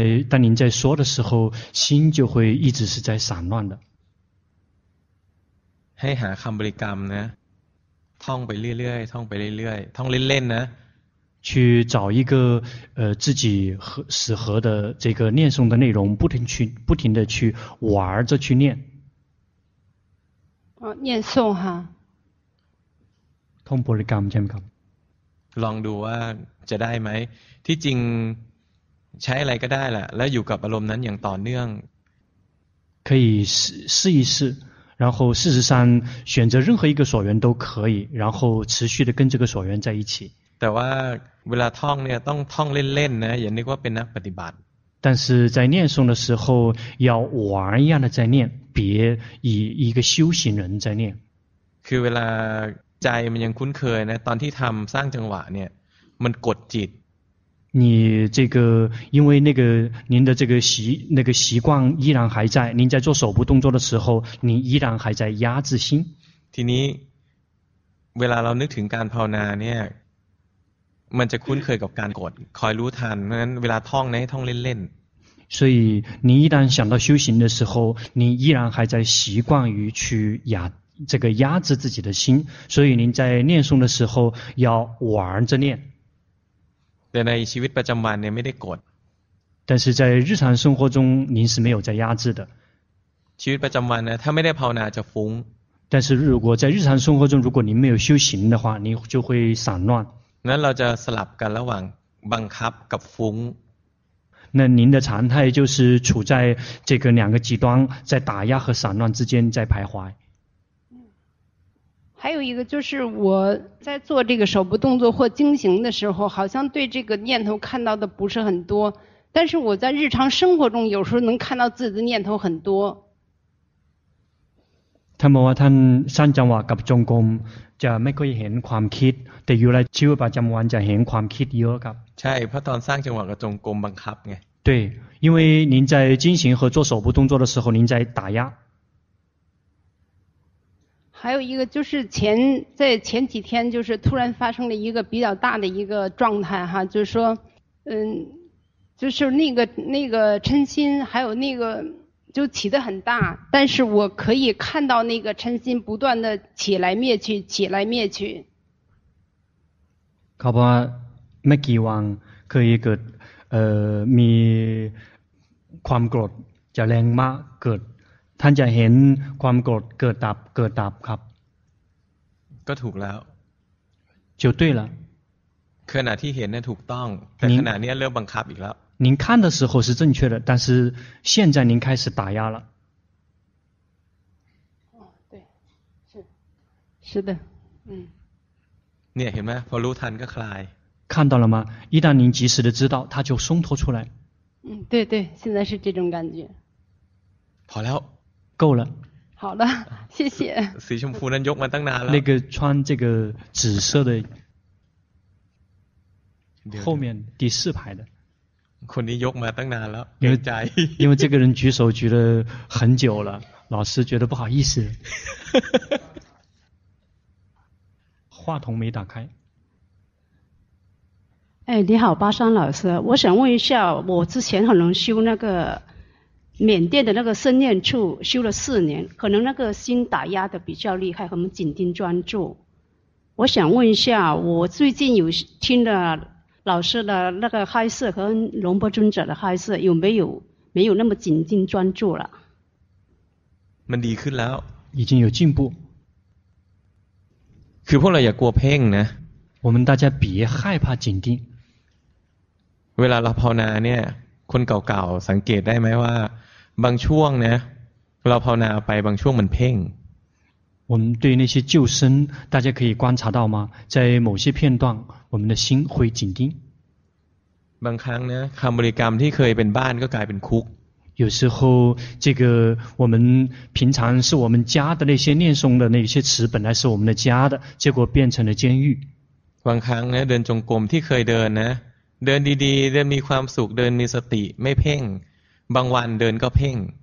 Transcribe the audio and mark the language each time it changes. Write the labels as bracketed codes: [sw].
[zh] 当您在说的时候心就会一直是在散乱的 [th] ให้หาคำบริกรรมนะท่องไปเรื่อยๆท่องไปเรื่อยๆท่องเล่นๆนะ [zh] 去找一个自己适合的这个念诵的内容不停的去玩着去念念诵哈 [th] ท่องบริกรรมใช่ไหมครับ ลองดูว่าจะได้ไหมที่จริงใช้อะไรก็ได้แหละแล้วอยู่กับอารมณ์นั้นอย่างต่อเนื่อง [zh] 可以试一试然后事实上选择任何一个所缘都可以然后持续的跟这个所缘在一起 [th] แต่ว่าเวลาท่องเนี่ยต้องท่องเล่นๆนะอย่านึกว่าเป็นนักปฏิบัติ [zh] 但是在念诵的时候要玩一样的在念别以一个修行人在念 [th] คือเวลาใจมันยังคุ้นเคยนะตอนที่ทำสร้างจังหวะเนี่ยมันกดจิต [zh] 你这个因为那个您的这个习那个习惯依然还在您在做手部动作的时候你依然还在压制心 [th] ทีนี้เวลาเรานึกถึงการภาวนาเนี่ยมันจะคุ้นเคยกับการกดคอยรู้ทันเพราะฉะนั้นเวลาท่องเนี่ยท่องเล่น [zh] ๆ所以你一旦想到修行的时候你依然还在习惯于去压这个压制自己的心所以您在念诵的时候要玩着念 [th] แต่ในชีวิตประจำวันเนี่ยไม่ได้กด [zh] 但是在日常生活中您是没有在压制的 [th] ชีวิตประจำวันเนี่ยถ้าไม่ได้ภาวนาจะฟุ้ง [zh] 但是如果在日常生活中如果您没有修行的话您就会散乱 [th] งั้นเราจะสลับกันระหว่างบังคับกับฟุ้ง [zh] 那您的常态就是处在这个两个极端在打压和散乱之间在徘徊还有一个就是我在做这个手部动作或经行的时候好像对这个念头看到的不是很多但是我在日常生活中有时候能看到自己的念头很多。 [th] ท่านบอกว่าท่านสร้างจังหวะกับจงกรมจะไม่ค่อยเห็นความคิดแต่อยู่ในชีวิตประจำวันจะเห็นความคิดเยอะครับ ใช่เพราะตอนสร้างจังหวะกับจงกรมบังคับไง [zh] 对因为您在进行和做手部动作的时候您在打压还有一个就是前在前几天就是突然发生了一个比较大的一个状态哈就是说就是那个嗔心还有那个就起得很大但是我可以看到那个嗔心不断的起来灭去起来灭去 [th] เขาบอกว่าไม่กี่วันเคยเกิดมีความโกรธจะแรงมากเกิดท่านจะเห็นความโกรธเกิดดับเกิดดับครับ ก็ถูกแล้ว [zh] 就对了 [th] ขณะที่เห็นเนี่ยถูกต้องแต่ขณะนี้เริ่มบังคับอีกแล้ว [zh] 您看的时候是正确的但是现在您开始打压了对 是的 [th] เนี่ยเห็นไหมพอรู้ทันก็คลาย [zh] 看到了吗一旦您及时的知道它就松脱出来对对现在是这种感觉好了够了好的谢谢水兄夫人用完当然了那个穿这个紫色的后面第四排的 [th] คนนี้ยกมาตั้งนานแล้วเกรงใจ [zh] 因为这个人举手举了很久了老师觉得不好意思话筒没打开哎你好巴山老师我想问一下我之前很容易修那个缅甸的那个生念处修了四年可能那个心打压的比较厉害很紧盯专注我想问一下我最近有听了老师的那个嗨色和龙波尊者的嗨色有没有没有那么紧盯专注了 [th] มันดีขึ้นแล้ว [zh] 已经有进步 [th] คือพวกเราอย่ากลัวเพ่งนะ [zh] 我们大家别害怕紧盯 [th] เวลาเราภาวนาเนี่ยคนเก่าๆสังเกตได้ไหมว่าบางช่วงนะเราภาวนาไปบางช่วงมันเพ่ง [zh] 我们对那些旧生大家可以观察到吗在某些片段我们的心会紧盯 [th] บางครั้งนะคำบริกรรมที่เคยเป็นบ้านก็กลายเป็นคุก [zh] 有时候这个我们平常是我们家的那些念诵的那些词本来是我们的家的结果变成了监狱 [th] บางครั้งนะเดินจงกรมที่เคยเดินนะเดินดีๆเดินมีความสุขเดินมีสติไม่เพ่งบางวันเดินก็เพ่ง